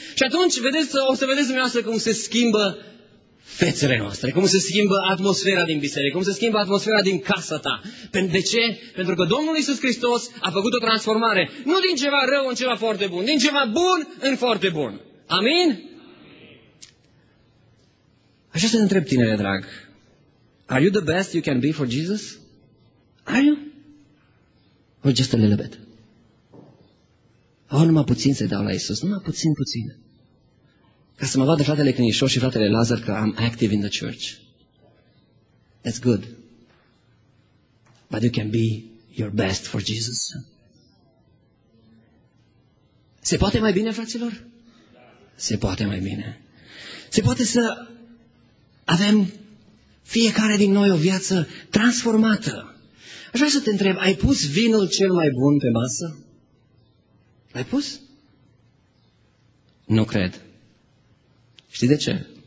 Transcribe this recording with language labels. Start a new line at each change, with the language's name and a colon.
Romanian: Și atunci, vedeți, o să vedeți dumneavoastră cum se schimbă fețele noastre, cum se schimbă atmosfera din biserică, cum se schimbă atmosfera din casa ta. De ce? Pentru că Domnul Iisus Hristos a făcut o transformare, nu din ceva rău în ceva foarte bun, din ceva bun în foarte bun. Amin? Așa se întreb tinere drag.
English: Are you the best you can be for Jesus? Are you? Or just a little bit?
Romanian: Oh, numai puțin să dau la Iisus, numai puțin, puțin. Ca să mă vadă fratele Crinișor și fratele Lazar că
English: I'm active in the church. That's good. But you can be your best for Jesus.
Romanian: Se poate mai bine, fraților? Se poate mai bine. Se poate să avem fiecare din noi o viață transformată. Aș vrea să te întreb, ai pus vinul cel mai bun pe masă? L-ai pus? Nu cred. Știi de ce?